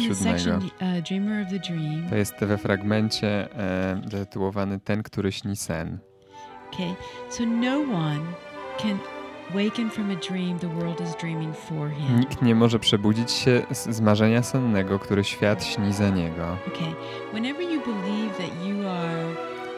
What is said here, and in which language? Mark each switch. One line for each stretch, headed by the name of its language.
English: It's in the section, Dreamer of the Dream.
Polish: To jest we fragmencie zatytułowany Ten, który śni sen.
English: Okay, so no one can waken from a dream the world is dreaming for him.
Polish: Nikt nie może przebudzić się z marzenia sennego, który świat śni za niego.
English: Okay, whenever you believe that you are